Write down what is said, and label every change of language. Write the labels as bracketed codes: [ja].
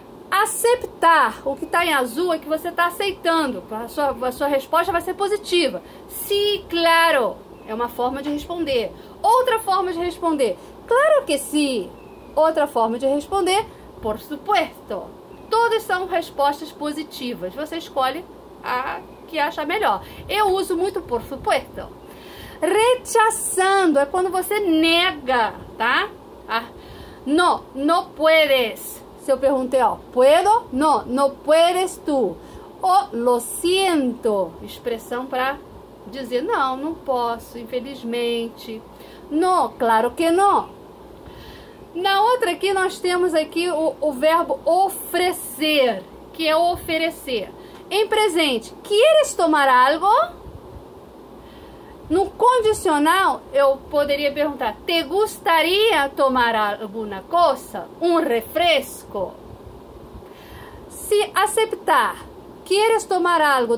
[pt] Aceptar, o que está em azul é que você está aceitando. A sua resposta vai ser positiva. Sim, claro. É uma forma de responder. outra forma de responder. Claro que sim. Outra forma de responder, [es] por supuesto. [pt] Todas são respostas positivas. Você escolhe a que acha melhor. Eu uso muito [es] por supuesto. [pt] Rechazando é quando você nega, tá? [es] No, no puedes. [pt] Se eu perguntei, ó, [es] puedo? No, no puedes tú. O lo siento. [pt] Expressão para dizer, não, não posso, infelizmente. [es] No, claro que no. [pt] Na outra aqui, nós temos aqui o verbo oferecer, que é oferecer. Em presente, [es] ¿quieres tomar algo? [pt] No condicional, eu poderia perguntar, [es] ¿te gustaría tomar alguna cosa? [pt] Um refresco? Se aceptar, [es] ¿quieres tomar algo?